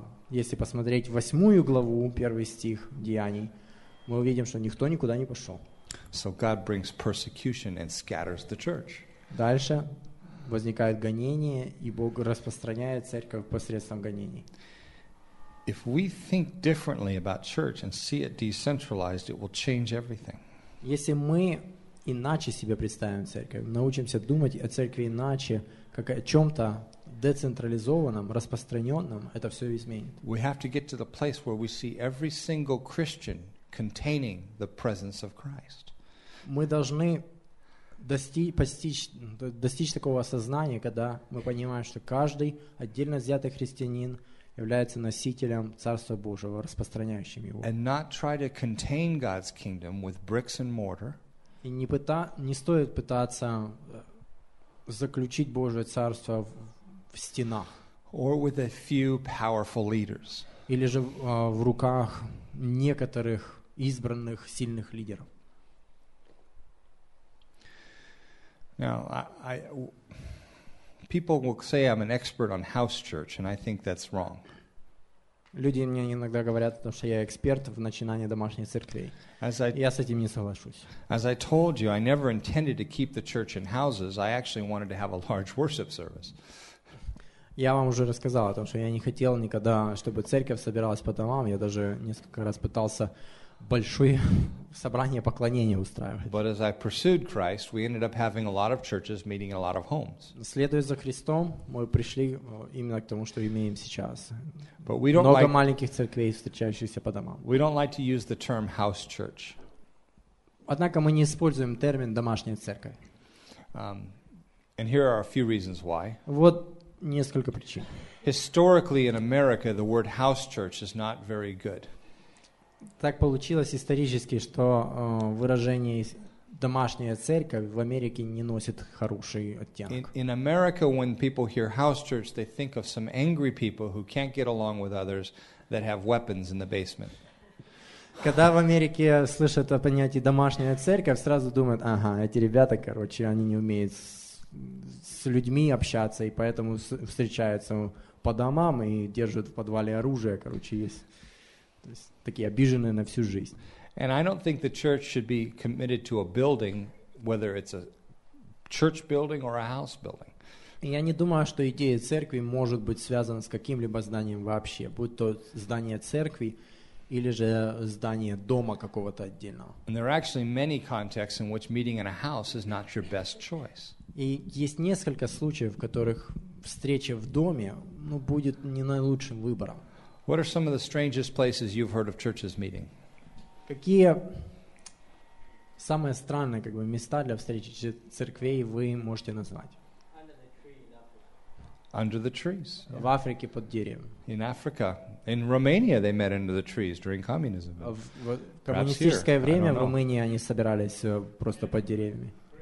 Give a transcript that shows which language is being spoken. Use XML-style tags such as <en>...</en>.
<ru>Если посмотреть 8 главу, 1 стих Деяний, мы увидим, что никто никуда не пошел.</ru> <en>So God brings persecution and scatters the church.</en> <ru>Дальше возникает гонение, и Бог распространяет церковь посредством гонений.</ru> <en>If we think differently about church and see it decentralized, it will change everything.</en> <ru>Если мы иначе себе представим церковь, научимся думать о церкви иначе, как о чем-то децентрализованном, распространенном, это все изменит.</ru> <en>We have to get to the place where we see every single Christian containing the presence of Christ.</en> <ru>Мы должны достичь такого осознания, когда мы понимаем, что каждый отдельно взятый христианин является носителем Царства Божьего, распространяющим его.</ru> <en>And not try to contain God's kingdom with bricks and mortar.</en> <ru>И не стоит пытаться заключить Божье Царство в стенах.</ru> <en>Or with a few powerful leaders.</en> <ru>Или же в руках некоторых избранных сильных лидеров.</ru> <en>Now, people will say I'm an expert on house church, and I think that's wrong.</en> <ru>Люди мне иногда говорят, что я эксперт в начинании домашней церкви. Я с этим не соглашусь.</ru> <en>As I told you, I never intended to keep the church in houses. I actually wanted to have a large worship service.</en> <ru>Я вам уже рассказал о том, что я не хотел никогда, чтобы церковь собиралась по домам. Я даже несколько раз пытался большое собрание поклонения устраивать.</ru> <en>But as I pursued Christ, we ended up having a lot of churches meeting in a lot of homes.</en> <ru>Следуя за Христом, мы пришли именно к тому, что имеем сейчас.</ru> <en>But we don't</en> <ru>много маленьких церквей, встречающихся по домам.</ru> <en>We don't like to use the term house church.</en> <ru>Однако мы не используем термин домашняя церковь.</ru> <en>And here are a few reasons why.</en> <ru>Вот несколько причин.</ru> <en>Historically in America, the word house church is not very good.</en> <ru>Так получилось исторически, что выражение домашняя церковь в Америке не носит хороший оттенок.</ru> <en>In America, when people hear house church, they think of some angry people who can't get along with others that have weapons in the basement.</en> <ru>Когда в Америке слышат о понятии домашняя церковь, сразу думают, ага, эти ребята, короче, они не умеют с людьми общаться, и поэтому встречаются по домам и держат в подвале оружие, короче, есть, то есть такие обиженные на всю жизнь.</ru> <en>And I don't think the church should be committed to a building, whether it's a church building or a house building.</en> <ru>Я не думаю, что идея церкви может быть связана с каким-либо зданием вообще, будь то здание церкви или же здание дома какого-то отдельного.</ru> <en>And there are actually many contexts in which meeting in a house is not your best choice.</en> <ru>И есть несколько случаев, в которых встреча в доме, ну, будет не наилучшим выбором.</ru> <en>What are some of the strangest places you've heard of churches meeting?</en> <ru>Какие самые странные, как бы, места для встречи церквей вы можете назвать?</ru> <en>Under the trees.</en> <ru>В Африке под деревьями.</ru> <en>In Africa. In Romania they met under the trees during communism.</en> <ru>В коммунистическое время в Румынии они собирались просто под деревьями.</ru>